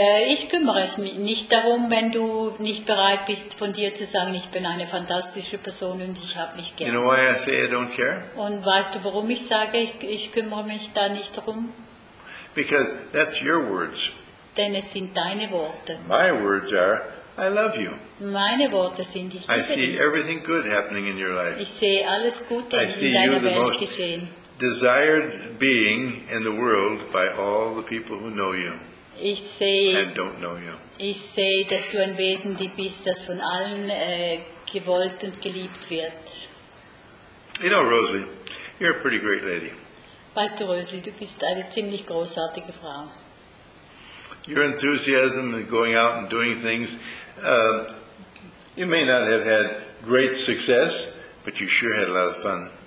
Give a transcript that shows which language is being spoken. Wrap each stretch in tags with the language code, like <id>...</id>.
<de>Ich kümmere es mich nicht darum, wenn du nicht bereit bist, von dir zu sagen, ich bin eine fantastische Person und ich habe mich gern.</de> <en>You know why I say I don't care?</en> <de>Und weißt du, warum ich sage, ich kümmere mich da nicht darum?</de> <en>Because that's your words.</en> <de>Denn es sind deine Worte.</de> <en>My words are, "I love you."</en> <de>Meine Worte sind, ich liebe dich.</de> <en>I see everything good happening in your life.</en> <de>Ich sehe alles Gute in deiner Welt geschehen.</de> <en>Desired being in the world by all the people who know you and don't know you.</en> <de>Ich sehe, dass du ein Wesen bist, das von allen gewollt und geliebt wird.</de> <en>You know, Rosalie, you're a pretty great lady.</en> <de>Weißt du, Rosalie, du bist eine ziemlich großartige Frau.</de> <en>Your enthusiasm and going out and doing things, you may not have had great success, but you sure had a lot of fun.</en>